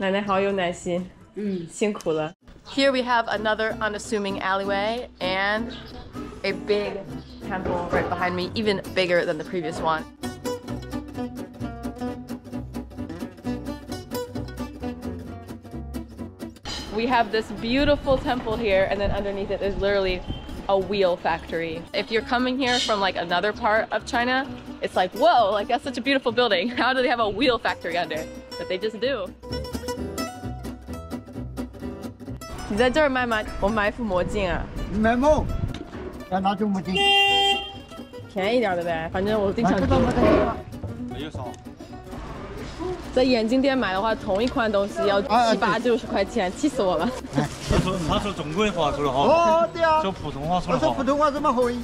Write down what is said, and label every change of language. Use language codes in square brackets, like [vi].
[zh] 他把这个里面的那个心挖掉就空心了，再穿起来这样子。奶奶好有耐心，嗯，辛苦了。Here [en] we have another unassuming alleyway and a big temple right behind me, even bigger than the previous one. We have this beautiful temple here, and then underneath it is literally a wheel factory. If you're coming here from like another part of China, it's like, whoa, like that's such a beautiful building. How do they have a wheel factory under? But they just do. [zh] 你在这儿买吗？我买副墨镜啊。买梦？要拿旧墨镜。便宜点的呗，反正我经常。没有少。在眼镜店买的话，同一款东西要七八九十块钱，气死我了。他说中国话说的好。哦，对啊。说普通话说的好。我说普通话怎么好？